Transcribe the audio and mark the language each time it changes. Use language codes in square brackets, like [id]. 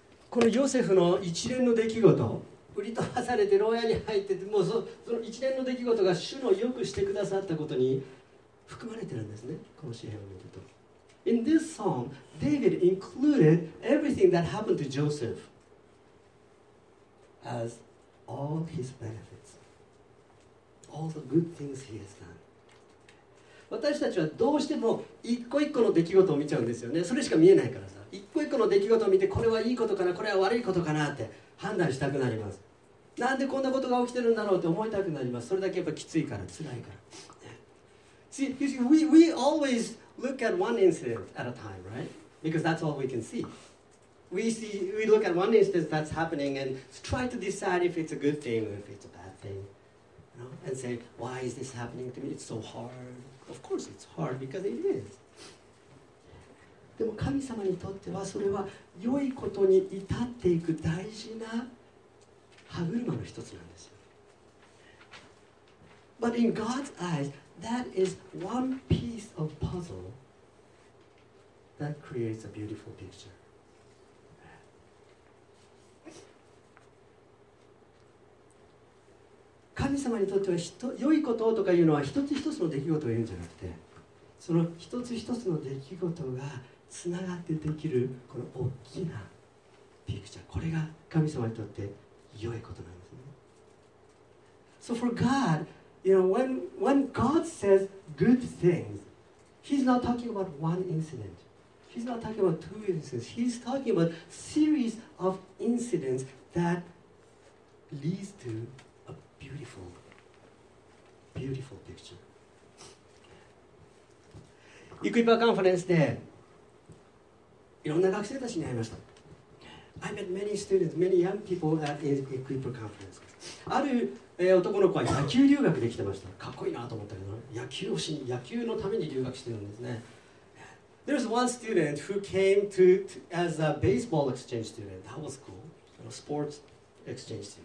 [ja] このヨセフの一連の出来事、売り飛ばされて牢屋に入ってて、もう その一連の出来事が主のよくしてくださったことに含まれてるんですね、この詩編を見ると。 [en] In this psalm, David included everything that happened to Joseph as all his benefits, all the good things he has done. [ja] 私たちはどうしても一個一個の出来事を見ちゃうんですよね。それしか見えないからさ。一個一個の出来事を見て、これはいいことかな、これは悪いことかなって判断したくなります。なんでこんなことが起きてるんだろうって思いたくなります。それだけやっぱきついから、つらいから。 [en] See, you see, we always... Look at one incident at a time, right? Because that's all we can see. We look at one incident that's happening and try to decide if it's a good thing or if it's a bad thing. You know? And say, why is this happening to me? It's so hard. Of course it's hard because it is. [ja] でも神様にとってはそれは良いことに至っていく大事な歯車の一つなんですよ。 [en] But in God's eyes,That is one piece of puzzle that creates a beautiful picture. [ja] God 様にとっては良いこととかいうのは一つ一つの出来事を言うんじゃなくて、その一つ一つの出来事がつながってできるこの大きなピクチャー、これが神様にとって良いことなんですね。 [en] So for GodYou know, when God says good things, He's not talking about one incident. He's not talking about two incidents. He's talking about series of incidents that leads to a beautiful, beautiful picture. [ja] Equipa Conference で、いろんな学生たちに会いました。 [en] I met many students, many young people at Equipa Conference. [ja] ある男の子は野球留学で来てました。かっこいいなと思ったけど、野球をしに、野球のために留学してるんですね。 [en] There's one student who came to as a baseball exchange student. That was cool. A sports exchange student.